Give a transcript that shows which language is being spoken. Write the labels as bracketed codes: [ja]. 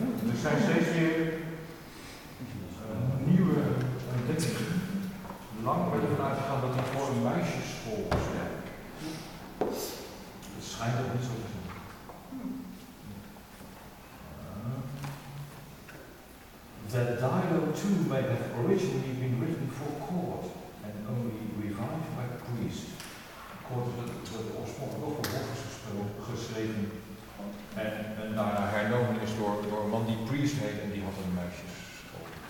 [nl] Er zijn steeds weer nieuwe, dit lang ben ervan uitgegaan dat het voor een meisjesschool is. Het schijnt ook niet zo te zijn. [en] The dialogue too may have originally been written for court and only revived by the priest. [nl] Court heeft het oorspronkelijk voor hof geschreven. En daarna hernomen is door een man die priest heet en die had een meisjesschool.